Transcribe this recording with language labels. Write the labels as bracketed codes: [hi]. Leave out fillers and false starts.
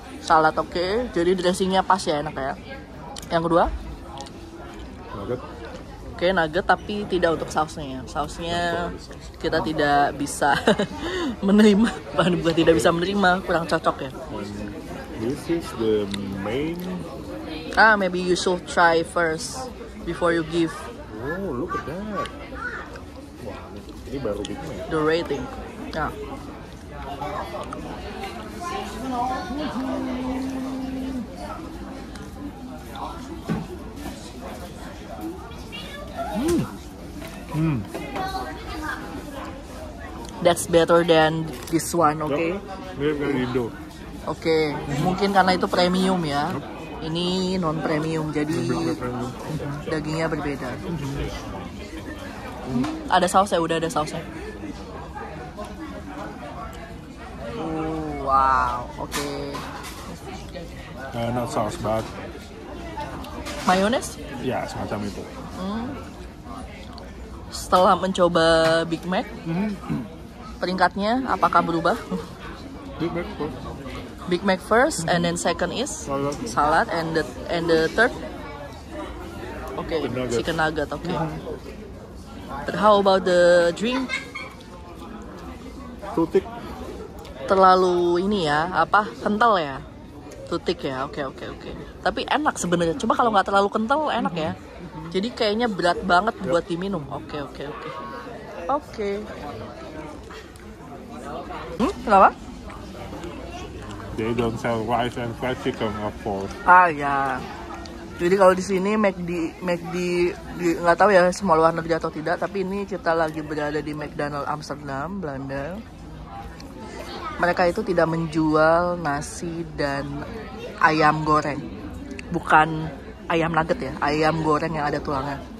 [id] Salad, oke. Okay. Jadi dressingnya pas ya, enak ya. Yang kedua? Nugget. Oke, okay, nugget tapi tidak untuk sausnya. Sausnya kita tidak bisa menerima. Bahan buat tidak bisa menerima, kurang cocok ya. [en] This is the main. Ah, maybe you should try first before you give. Oh, look at that. Wow, [id] Ini baru bikin ya? [en] The rating. Ya. Hmm. That's better than this one, okay? [id] Mirip dengan Indo. Oke, mungkin karena itu premium ya. Yep. Ini non premium, jadi dagingnya berbeda. Ada sausnya, udah ada sausnya. Wow, oke. [en] Okay. Not sauce, but [id] mayones? Ya, yeah, semacam itu. Setelah mencoba Big Mac, peringkatnya apakah berubah? [en] Big Mac first. Big Mac first, and then second is salad, and the third, okay, chicken nugget, okay. But how about the drink? [id] Tutik. Terlalu ini ya, apa kental ya? Tutik ya, okay. Tapi enak sebenarnya. Cuma kalau nggak terlalu kental enak ya. Jadi kayaknya berat banget buat diminum. Okay. Kenapa? [en] They don't sell rice and fried chicken, of course. [id] Ah ya. Jadi kalau di sini McD nggak tahu ya semua luar negeri atau tidak, tapi ini kita lagi berada di McDonald's Amsterdam, Belanda. Mereka itu tidak menjual nasi dan ayam goreng. Bukan ayam nugget ya, ayam goreng yang ada tulangnya.